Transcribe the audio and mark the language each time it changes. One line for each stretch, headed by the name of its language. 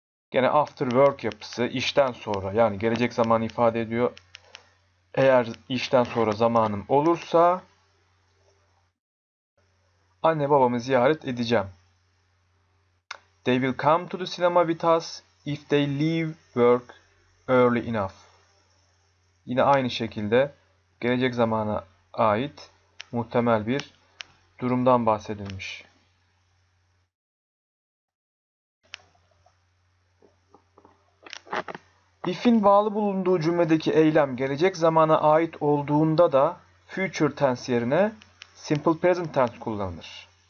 Turkish: Gene after work yapısı işten sonra, yani gelecek zamanı ifade ediyor. Eğer işten sonra zamanım olursa anne babamı ziyaret edeceğim.
English: They will come to the cinema with us if they leave work early enough.
Turkish: Yine aynı şekilde gelecek zamana ait muhtemel bir durumdan bahsedilmiş. If'in bağlı bulunduğu cümledeki eylem gelecek zamana ait olduğunda da future tense yerine simple present tense kullanılır.